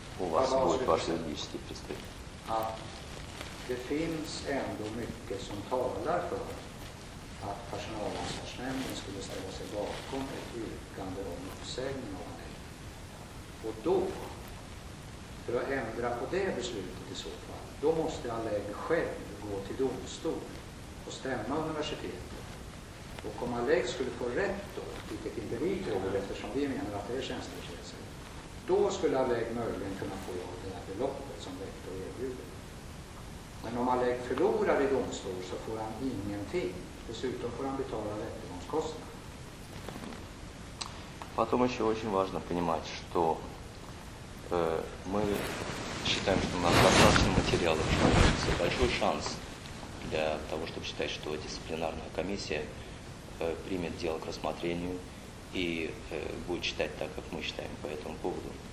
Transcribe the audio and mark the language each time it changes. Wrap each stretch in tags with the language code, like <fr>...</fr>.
<ru>У вас будет ваш юридический представитель.</ru> <sv>Det finns ändå mycket som talar för att personalansvarsnämnden skulle ställa sig bakom ett yrkande om uppsägning av det. Och då, för att ändra på det beslutet i så fall, då måste Alleg själv gå till domstol och stämma universitetet. Och om Alleg skulle få rätt då, vilket inte vi tror eftersom vi menar att det är tjänstekretsen, då skulle Alleg möjligen kunna få det här beloppet som rektor erbjuder. Men om Alleg förlorar i domstol så får han ingenting. Dessutom får han betala rättegångskostnader.</sv> <ru>Потом еще очень важно понимать, что мы считаем, что у нас достаточно материалов, что есть большой шанс для того, чтобы считать, что дисциплинарная комиссия примет дело к рассмотрению и будет считать так, как мы считаем по этому поводу.</ru>